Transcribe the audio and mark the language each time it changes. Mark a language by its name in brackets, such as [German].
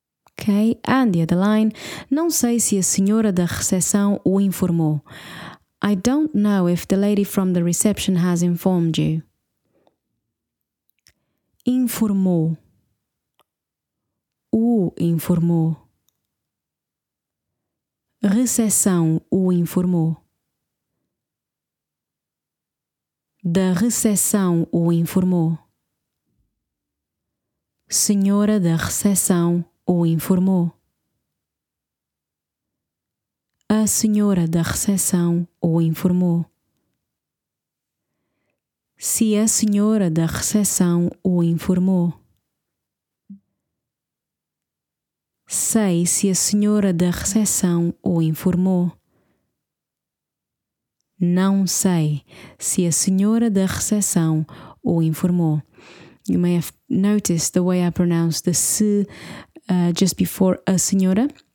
[Portuguese] Ok, Andy Adeline, não sei se a senhora da recepção o informou. [English] I don't know if the lady from the reception has informed you. [Portuguese] Informou. O informou. Recepção o informou. Da recepção o informou. Senhora da recepção o informou. A senhora da recepção o informou. Se a senhora da recepção o informou. Sei se a senhora da recepção o informou. Não sei se a senhora da recepção o informou. [English] You may have noticed the way I pronounce the se just before a senhora.